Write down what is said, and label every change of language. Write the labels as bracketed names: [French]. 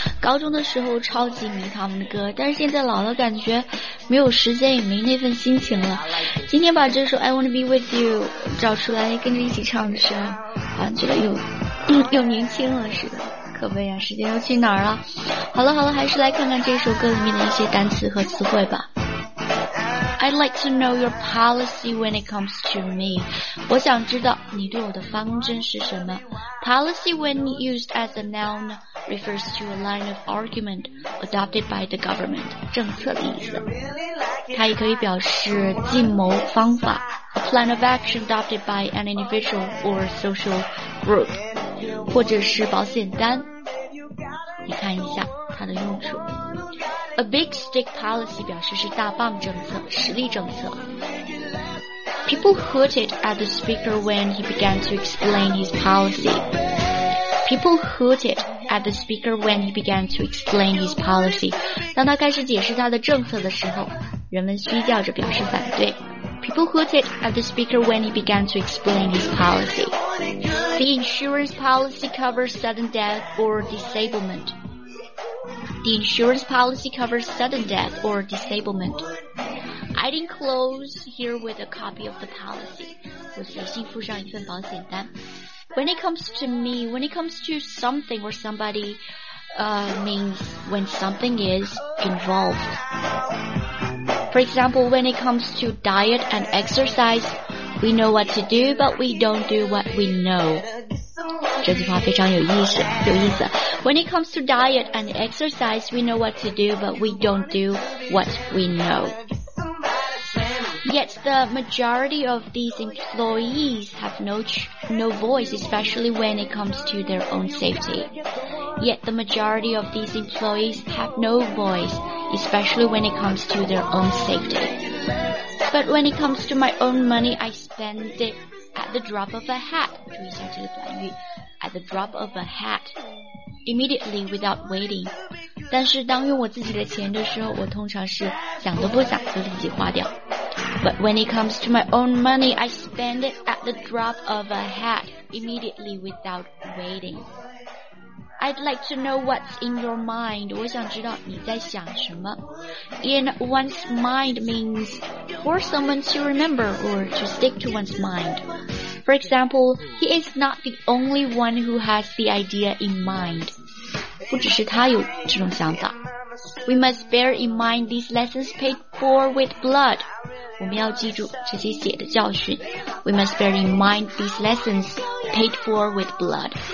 [Chinese] 高中的时候超级迷他们的歌，但是现在老了感觉没有时间也没那份心情了。今天把这首 I wanna be with you 找出来跟着一起唱的时候，感觉得又年轻了似的。可悲啊，时间又去哪儿了。好了好了，还是来看看这首歌里面的一些单词和词汇吧。 [English] I'd like to know your policy when it comes to me. [Chinese] 我想知道你对我的方针是什么。 [English] Policy when used as a noun refers to a line of argument adopted by the government. [Chinese] 政策的意思。它也可以表示计谋方法。 [English] A plan of action adopted by an individual or social group. [Chinese] 或者是保险单。你看一下它的用处。 [English] A big stick policy [Chinese] 表示是大棒政策，实力政策。 [English] People hooted at the speaker when he began to explain his policy. People hooted at the speaker when he began to explain his policy. [Chinese] 当他开始解释他的政策的时候，人们嘘叫着表示反对。 [English] People hooted at the speaker when he began to explain his policy. The insurance policy covers sudden death or disablement. The insurance policy covers sudden death or disablement. I'd enclose here with a copy of the policy. [Chinese] 我随信附上一份保险单。 [English] When it comes to me, when it comes to something or somebody, means when something is involved. For example, when it comes to diet and exercise, we know what to do, but we don't do what we know. [Chinese] 这句话非常有意思，有意思。 [English] When it comes to diet and exercise, we know what to do, but we don't do what we know. Yet the majority of these employees have no voice, especially when it comes to their own safety. Yet the majority of these employees have no voice, especially when it comes to their own safety. But when it comes to my own money, I spend it. At the drop of a hat, [Chinese] 注意一下这个短语 [English] at the drop of a hat, immediately without waiting. [Chinese] 但是当用我自己的钱的时候，我通常是想都不想就立即花掉。 [English] But when it comes to my own money, I spend it at the drop of a hat, immediately without waiting. I'd like to know what's in your mind. [Chinese] 我想知道你在想什么。 [English] In one's mind means for someone to remember or to stick to one's mind. For example, he is not the only one who has the idea in mind. [Chinese] 不只是他有这种想法。 [English] We must bear in mind these lessons paid for with blood. [Chinese] 我们要记住这些血的教训。 [English] We must bear in mind these lessons paid for with blood.